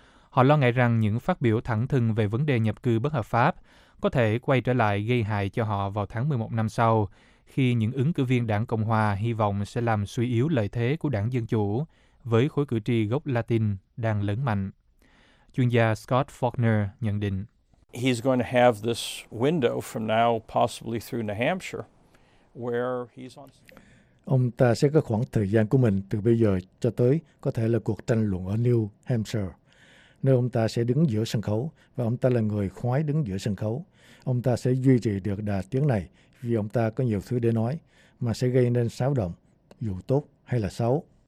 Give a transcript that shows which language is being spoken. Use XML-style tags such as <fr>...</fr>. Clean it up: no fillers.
<vi>Họ lo ngại rằng những phát biểu thẳng thừng về vấn đề nhập cư bất hợp pháp có thể quay trở lại gây hại cho họ vào tháng 11 năm sau, khi những ứng cử viên đảng Cộng Hòa hy vọng sẽ làm suy yếu lợi thế của đảng Dân Chủ với khối cử tri gốc Latin đang lớn mạnh. Chuyên gia Scott Faulkner nhận định.</vi> <en>He's going to have this window from now possibly through New Hampshire where he's on...</en> <vi>Ông ta sẽ có khoảng thời gian của mình từ bây giờ cho tới có thể là cuộc tranh luận ở New Hampshire, nơi ông ta sẽ đứng giữa sân khấu và ông ta là người khoái đứng giữa sân khấu. Ông ta sẽ duy trì được đà tiến này vì ông ta có nhiều thứ để nói mà sẽ gây nên xáo động, dù tốt hay là xấu.</vi>